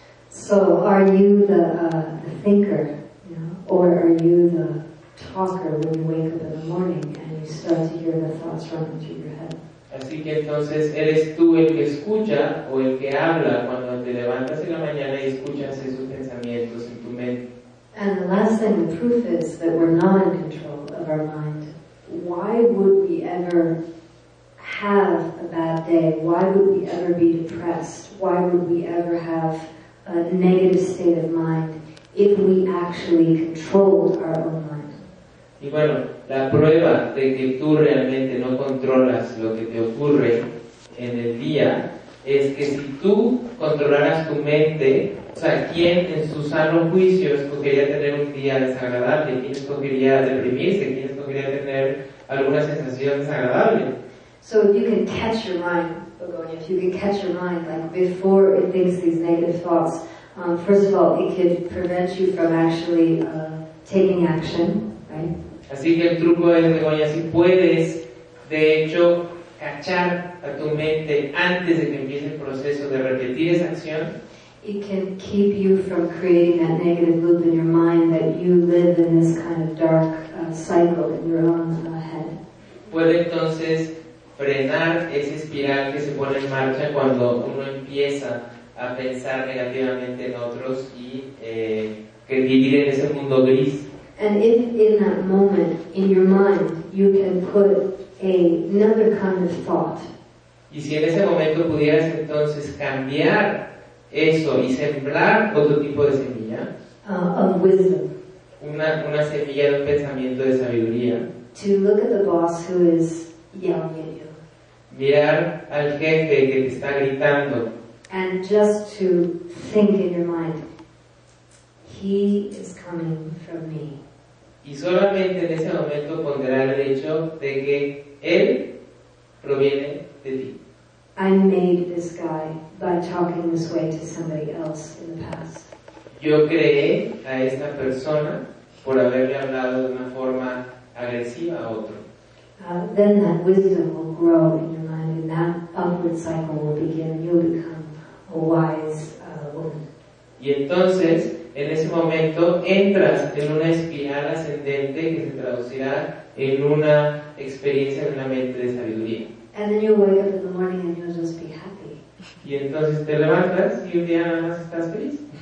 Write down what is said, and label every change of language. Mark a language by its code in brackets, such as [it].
[en] So, are you the thinker? Or are you the talker when you wake up in the morning and you start to hear the thoughts running through your head? [es] Así que entonces, ¿eres tú el que escucha o el que habla cuando te levantas en la mañana y escuchas esos pensamientos en tu mente? [en] And the last thing, the proof is that we're not in control of our mind. Why would we ever have a bad day? Why would we ever be depressed? Why would we ever have a negative state of mind if we actually controlled our own mind? [es] Y bueno, la prueba de que tú realmente no controlas lo que te ocurre en el día es que si tú controlaras tu mente, o sea, ¿quién en su sano juicio escogería tener un día desagradable? ¿Quién escogería deprimirse? ¿Quién escogería tener alguna sensación desagradable? [en] So if you can catch your mind, Begonia, if you can catch your mind, like, before it thinks these negative thoughts, First of all, it could prevent you from actually taking action, right? [es] Así que el truco es de Goya, si puedes, de hecho, cachar a tu mente antes de que empiece el proceso de repetir esa acción. [en] It can keep you from creating that negative loop in your mind that you live in this kind of dark cycle in your own head. [es] Puede entonces frenar esa espiral que se pone en marcha cuando uno empieza a pensar negativamente en otros y vivir en ese mundo gris. [en] And if in that moment, in your mind, you can put another kind of thought. [es] Y si en ese momento pudieras entonces cambiar eso y sembrar otro tipo de semilla. [en] Of wisdom. [es] Una semilla de un pensamiento de sabiduría. [en] To look at the boss who is yelling at you. [es] Mirar al jefe que te está gritando. [en] And just to think in your mind, he is coming from me. [es] Y solamente en ese momento ponderar el hecho de que él proviene de ti. [en] I made this guy by talking this way to somebody else in the past. [es] Yo creé a esta persona por haberle hablado de una forma agresiva a otro. [en] Then that wisdom will grow in your mind and that upward cycle will begin. You'll become a wise woman. [es] Y entonces, en ese momento, entras en una espiral ascendente que se traducirá en una experiencia en la mente de sabiduría. [en] And then you'll wake up in the morning and you'll just be happy. [es] Y entonces te levantas y un día nada más estás feliz.